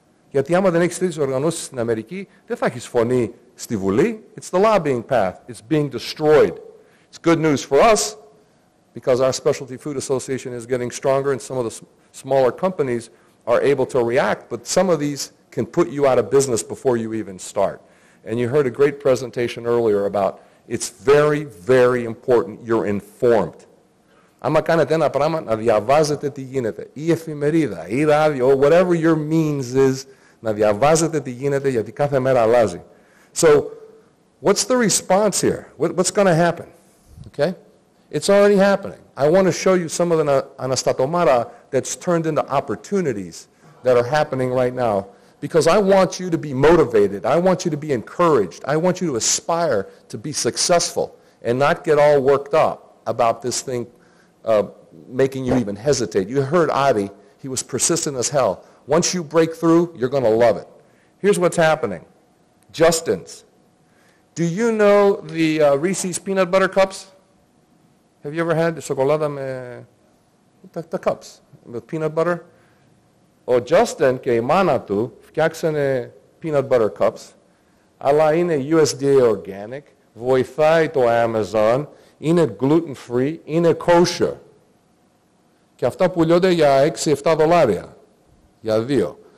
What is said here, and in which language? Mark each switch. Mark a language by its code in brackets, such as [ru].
[el] Γιατί άμα δεν έχεις τέτοιες οργανώσεις στην Αμερική, δεν θα έχεις φωνή στη Βουλή. [en] It's the lobbying path. It's being destroyed. It's good news for us, because our Specialty Food Association is getting stronger and some of the smaller companies are able to react, but some of these can put you out of business before you even start. And you heard a great presentation earlier about it's very, very important you're informed. [el] Άμα κάνετε ένα πράγμα, να διαβάζετε τι γίνεται. Η εφημερίδα, η ράδιο, [en] whatever your means is, [el] να διαβάζετε τι γίνεται, γιατί κάθε μέρα αλλάζει. [en] So, what's the response here? What's going to happen? Okay? It's already happening. I want to show you some of the anastatomara that's turned into opportunities that are happening right now, because I want you to be motivated. I want you to be encouraged. I want you to aspire to be successful and not get all worked up about this thing making you even hesitate. You heard Adi. He was persistent as hell. Once you break through, you're going to love it. Here's what's happening. Justin's. Do you know the Reese's peanut butter cups? Have you ever had the chocolate the cups with peanut butter? [el] Oh, Justin και η μάνα του φτιάξανε peanut butter cups, αλλά είναι USDA organic, βοηθάει το Amazon, είναι gluten-free, είναι kosher. Και αυτά πουλιώνται για 6-7 δολάρια, για δύο.